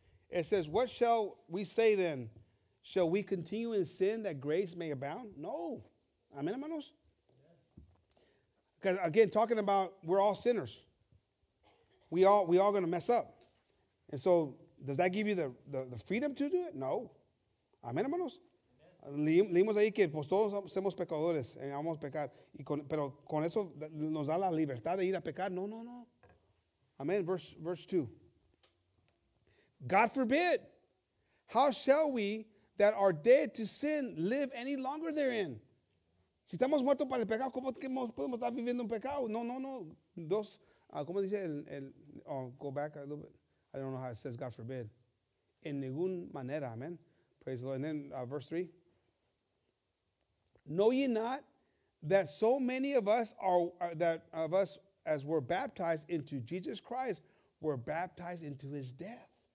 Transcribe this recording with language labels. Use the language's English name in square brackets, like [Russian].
[English] It says, what shall we say then? Shall we continue in sin that grace may abound? No. Amen, hermanos? Because, again, talking about we're all sinners. We all going to mess up. And so does that give you the freedom to do it? No. Amen, hermanos? [Spanish] Leímos ahí que todos somos pecadores y vamos a pecar. Pero con eso nos da la libertad de ir a pecar. No. [English] Amen. Verse 2. God forbid. How shall we that are dead to sin live any longer therein? [Spanish] Si estamos muertos para el pecado, ¿cómo es que podemos estar viviendo en pecado? No, no, no. Dos, ¿cómo dice el? [English] Oh, go back a little bit. I don't know how it says, God forbid. [Spanish] En ningún manera, [English] amen. Praise the Lord. And then verse 3. Know ye not that so many of us are that of us as were baptized into Jesus Christ were baptized into his death.